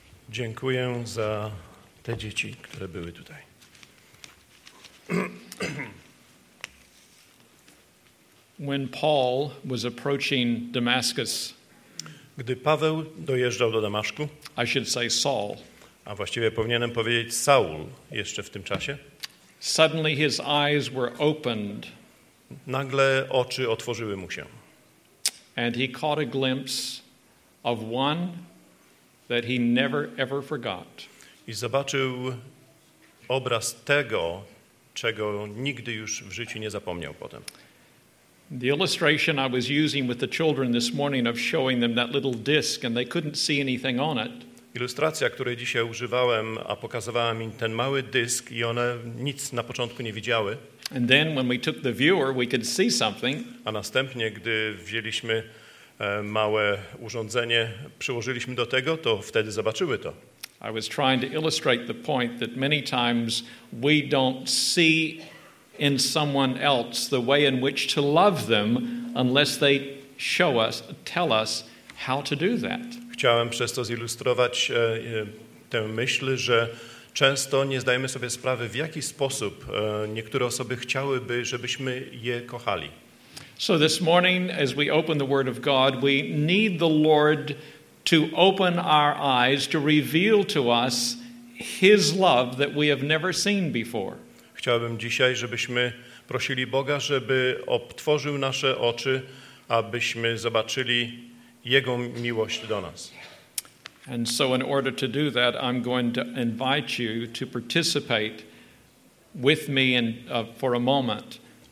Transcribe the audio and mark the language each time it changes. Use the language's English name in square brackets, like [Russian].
[Polish] Dziękuję za te dzieci, które były tutaj. [English] When Paul was approaching Damascus, [Polish] gdy Paweł dojeżdżał do Damaszku, [English] I should say Saul, [Polish] a właściwie powinienem powiedzieć Saul jeszcze w tym czasie, [English] suddenly his eyes were opened. [Polish] Nagle oczy otworzyły mu się. [English] And he caught a glimpse of one that he never ever forgot. [Polish] I zobaczył obraz tego, czego nigdy już w życiu nie zapomniał potem. [English] The illustration I was using with the children this morning of showing them that little disc and they couldn't see anything on it. [Polish] Ilustracja, której dzisiaj używałem, a pokazywałem im ten mały dysk i one nic na początku nie widziały. [English] And then when we took the viewer, we could see something. [Polish] A następnie, gdy wzięliśmy małe urządzenie, przyłożyliśmy do tego, to wtedy zobaczyły to. [English] I was trying to illustrate the point that many times we don't see in someone else the way in which to love them unless they show us, tell us how to do that. [Polish] Chciałem przez to zilustrować tę myśl, że często nie zdajemy sobie sprawy, w jaki sposób niektóre osoby chciałyby, żebyśmy je kochali. [English] So this morning, as we open the Word of God, we need the Lord to open our eyes, to reveal to us His love that we have never seen before. [Polish] Chciałbym dzisiaj, żebyśmy prosili Boga, żeby otworzył nasze oczy, abyśmy zobaczyli Jego miłość do nas. [English] And so in order to do that, I'm going to invite you to participate with me in, for a moment.